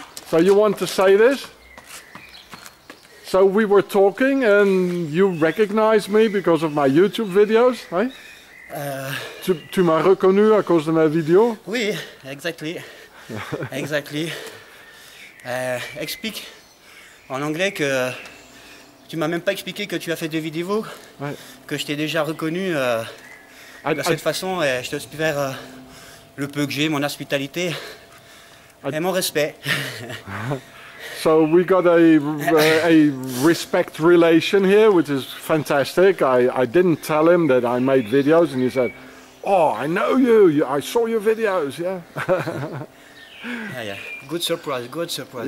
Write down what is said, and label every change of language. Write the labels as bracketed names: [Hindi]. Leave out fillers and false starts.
[English] So you want to say this? So we were talking and you recognized me because of my YouTube videos, right? [French] Tu m'as reconnu à cause de ma vidéo? [English] Oui, exactly. Exactly. [French] Explique en anglais que tu m'as même pas expliqué que tu as fait des vidéos, ouais. Que je t'ai déjà reconnu de cette façon et je te suis fait le peu que j'ai, mon hospitalité. Et mon respect. [English] So we got a respect relation here, which is fantastic. I didn't tell him that I made videos, and he said, "Oh, I know you. I saw your videos." Yeah. Yeah. Good surprise. Good surprise.